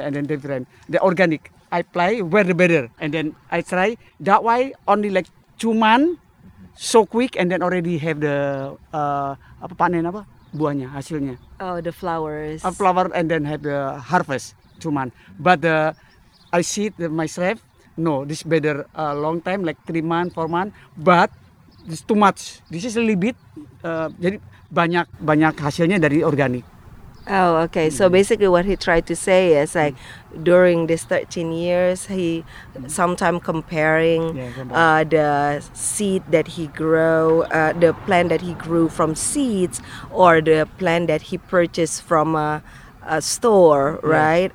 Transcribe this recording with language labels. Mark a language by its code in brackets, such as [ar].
[en] And then different. The organic, I apply, where the better. And then I try, that way, only like 2 months, so quick, and then already have the [id] apa panen apa buahnya hasilnya. [en] Oh, the flowers. A flower, and then have the harvest 2 months. But I see it myself. No, this better a long time, like 3 months, 4 months. But it's too much. This is a little bit. [id] Jadi banyak hasilnya dari organik. [en] Oh, okay. So basically what he tried to say is like during these 13 years, he sometimes comparing the seed that he grew, the plant that he grew from seeds or the plant that he purchased from a store, right?